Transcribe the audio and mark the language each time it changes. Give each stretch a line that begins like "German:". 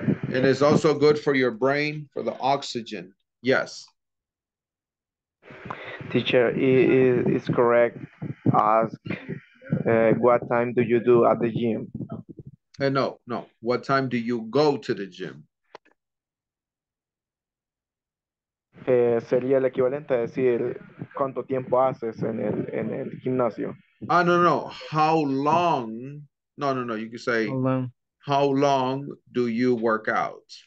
English: And it's also good for your brain, for the oxygen. Yes. Teacher, it's correct. Ask, what time do you do at the gym? No. What time do you go to the gym?
Spanish: Sería el equivalente a decir cuánto tiempo haces en el gimnasio.
English: Ah, no, no. How long? No, no, no. You can say how long do you work out?